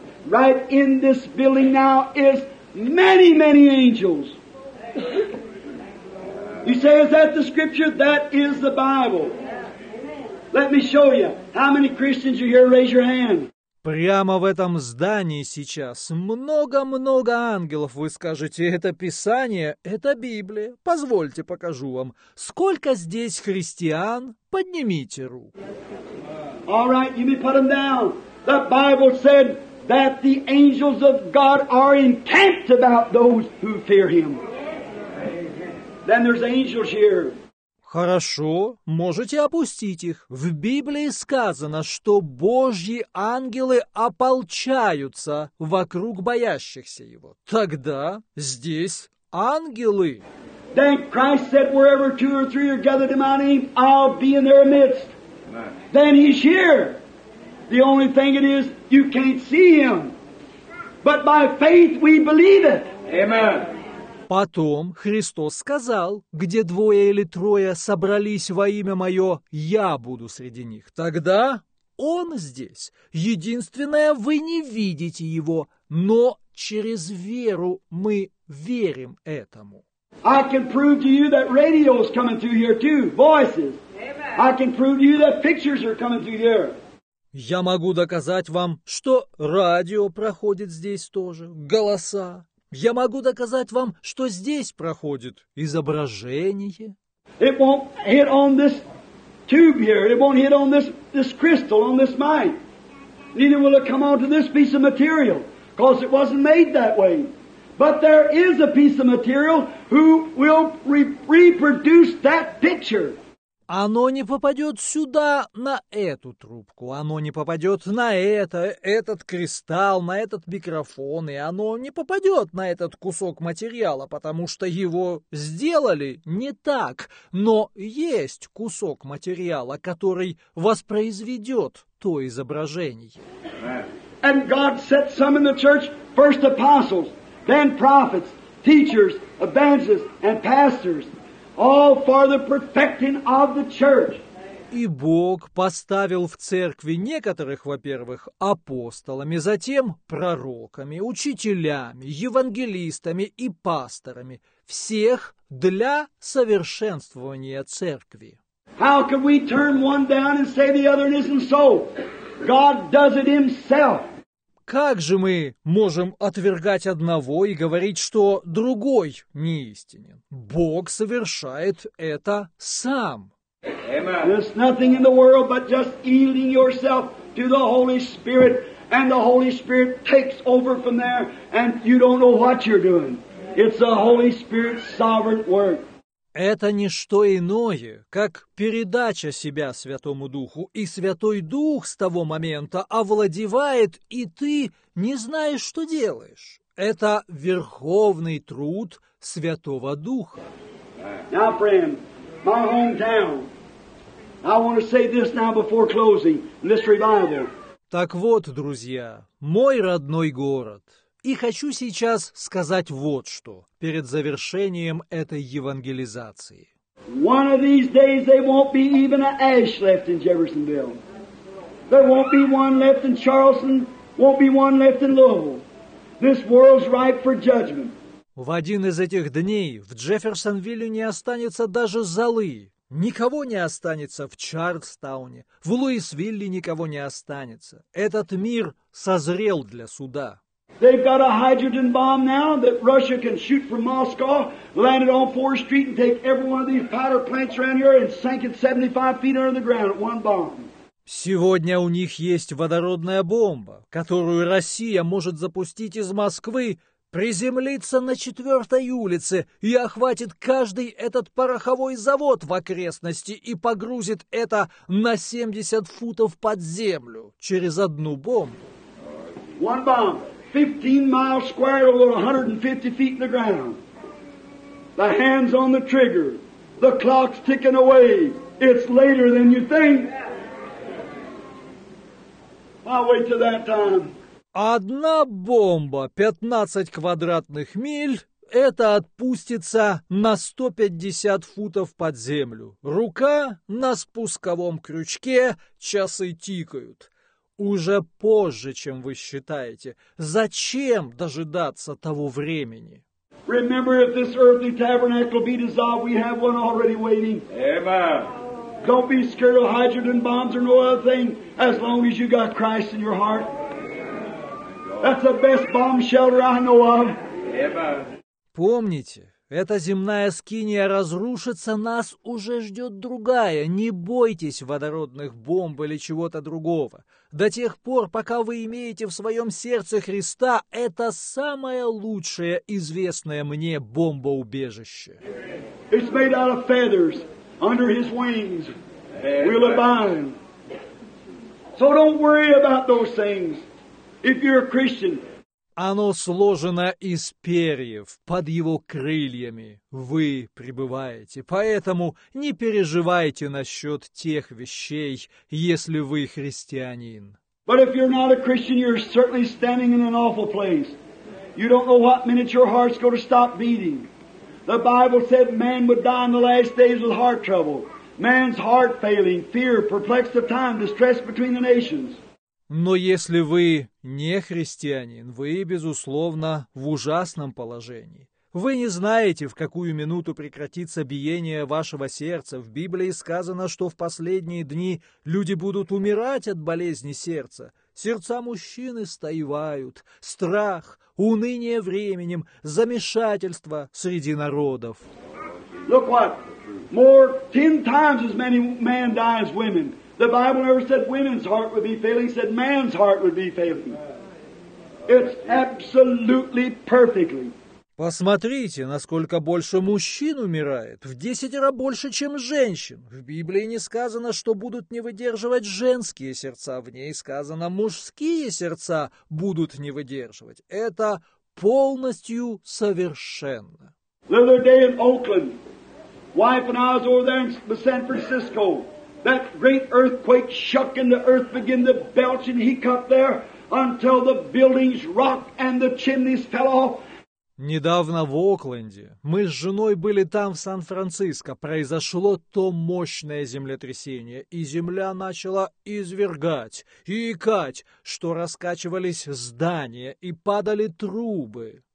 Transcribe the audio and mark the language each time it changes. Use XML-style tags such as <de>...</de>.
<en>Right in this building now is many, many angels. You say, is that the scripture? That is the Bible. Let me show you. How many Christians are here? Raise your hand.</en> <ru>Прямо в этом здании сейчас много-много ангелов, вы скажете, это Писание, это Библия. Позвольте, покажу вам. Сколько здесь христиан? Поднимите руку.</ru> <en>All right, you may put them down. The Bible said that the angels of God are encamped about those who fear Him. Then there's angels here.</en> <ru>Хорошо, можете опустить их. В Библии сказано, что Божьи ангелы ополчаются вокруг боящихся Его. Тогда здесь ангелы.</ru> <en>Then Christ said, wherever two or three are gathered in my name, I'll be in their midst. Then he's here. The only thing it is, you can't see him. But by faith we believe it. Amen.</en> <ru>Потом Христос сказал, где двое или трое собрались во имя Мое, я буду среди них. Тогда Он здесь. Единственное, вы не видите Его, но через веру мы верим этому.</ru> <en>I can prove to you that radio is coming through here too, voices. I can prove to you that pictures are coming through here.</en> <ru>Я могу доказать вам, что радио проходит здесь тоже, голоса. Я могу доказать вам, что здесь проходит изображение.</ru> <en>It won't hit on this tube here. It won't hit on this crystal, on this mic. Neither will it come onto this piece of material, because it wasn't made that way. But there is a piece of material who will reproduce that picture.</en> <ru>Оно не попадет сюда, на эту трубку. Оно не попадет на этот кристалл, на этот микрофон. И оно не попадет на этот кусок материала, потому что его сделали не так. Но есть кусок материала, который воспроизведет то изображение.</ru> <en>And God set some in the church, first apostles, then prophets, teachers, evangelists, and pastors. All for the perfecting of the church.</en> <ru>И Бог поставил в церкви некоторых, во-первых, апостолами, затем пророками, учителями, евангелистами и пасторами, всех для совершенствования церкви.</ru> <en>How can we turn one down and say the other isn't so? God does it himself.</en> <ru>Как же мы можем отвергать одного и говорить, что другой неистинен? Бог совершает это сам.</ru> <en>There's nothing in the world but just yielding yourself to the Holy Spirit, and the Holy Spirit takes over from there, and you don't know what you're doing. It's the Holy Spirit's sovereign work.</en> <ru>Это не что иное, как передача себя Святому Духу, и Святой Дух с того момента овладевает, и ты не знаешь, что делаешь. Это верховный труд Святого Духа.</ru> <en>Now, friend, my hometown, I want to say this now before closing, this revival.</en> <ru>Так вот, друзья, мой родной город. И хочу сейчас сказать вот что перед завершением этой евангелизации.</ru> <en>One of these days there won't be even an ash left in Jeffersonville. There won't be one left in Charleston, won't be one left in Louisville. This world's ripe for judgment.</en> <ru>В один из этих дней в Джефферсонвилле не останется даже золы. Никого не останется в Чарльстауне, в Луисвилле никого не останется. Этот мир созрел для суда.</ru> <en>They've got a hydrogen bomb now that Russia can shoot from Moscow, land it on 4th Street and take every one of these powder plants around here and sink it 75 feet under the ground at one bomb.</en> <ru>Сегодня у них есть водородная бомба, которую Россия может запустить из Москвы, приземлиться на 4-й улице и охватит каждый этот пороховой завод в окрестности и погрузит это на 70 футов под землю через одну бомбу.</ru> <en>One bomb. 15 miles square over 150 feet in the ground. The hands on the trigger. The clock's ticking away. It's later than you think. I'll wait till that time.</en> <ru>Одна бомба 15 квадратных миль. Это отпустится на 150 футов под землю. Рука на спусковом крючке. Часы тикают. Уже позже, чем вы считаете. Зачем дожидаться того времени?</ru> <en>Remember, if this earthly tabernacle be dissolved, we have one already waiting. Amen. Don't be scared of hydrogen bombs or no other thing, as long as you got Christ in your heart. That's the best bomb shelter I know of. Amen.</en> <ru>Помните, эта земная скиния разрушится, нас уже ждет другая. Не бойтесь водородных бомб или чего-то другого. До тех пор, пока вы имеете в своем сердце Христа, это самое лучшее известное мне бомбоубежище.</ru> <en>It's made out of feathers under his wings. We'll abide. So don't worry about those things. If you're a Christian.</en> <ru>Оно сложено из перьев, под его крыльями вы пребываете, поэтому не переживайте насчет тех вещей, если вы христианин.</ru> <en>But if you're not a Christian, you're certainly standing in an awful place. You don't know what minute your heart's going to stop beating. The Bible said man would die in the last days with heart trouble. Man's heart failing, fear, perplexed of time, distress between the nations.</en> <ru>Но если вы не христианин, вы, безусловно, в ужасном положении. Вы не знаете, в какую минуту прекратится биение вашего сердца. В Библии сказано, что в последние дни люди будут умирать от болезни сердца. Сердца мужчин истаивают, страх, уныние временем, замешательство среди народов.</ru> <en>Look what? More 10 times as many men die as women. The Bible never said women's heart would be failing, said man's heart would be failing. It's absolutely perfectly.</en> <ru>Посмотрите, насколько больше мужчин умирает, в 10 раз больше, чем женщин. В Библии не сказано, что будут не выдерживать женские сердца, в ней сказано, мужские сердца будут не выдерживать. Это полностью совершенно.</ru> <en>The other day in Oakland, wife and I was over there in San Francisco. That great earthquake shook and the earth began to belch and hiccup there until the buildings rocked and the chimneys fell off.</en> <ru>Недавно в Окленде, мы с женой были там, в Сан-Франциско, произошло то мощное землетрясение, и земля начала извергать и икать, что раскачивались здания и падали трубы.</ru>